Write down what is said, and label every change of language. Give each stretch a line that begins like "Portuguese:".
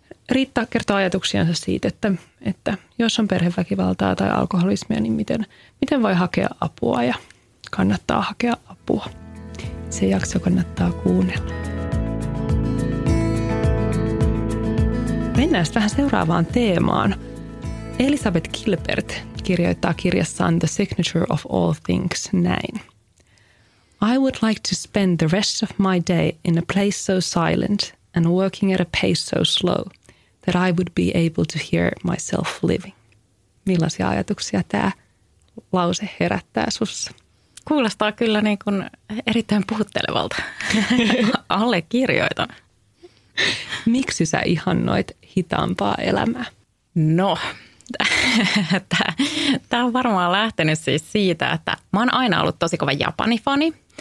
Finnish: Riitta kertoo ajatuksiansa siitä, että jos on perheväkivaltaa tai alkoholismia, niin miten voi hakea apua ja kannattaa hakea apua. Se jakso kannattaa kuunnella. Mennään vähän seuraavaan teemaan. Elizabeth Gilbert kirjoittaa kirjassaan The Signature of All Things näin.
English: I would like to spend the rest of my day in a place so silent and working at a pace so slow that I would be able to hear myself living.
Finnish: Millaisia ajatuksia tämä lause herättää sinussa? Kuulostaa kyllä niin kuin erittäin puhuttelevalta. Allekirjoitan. Miksi sä ihannoit hitaampaa elämää? No, tämä on varmaan lähtenyt siis siitä, että mä oon aina ollut tosi kova Japani-fani.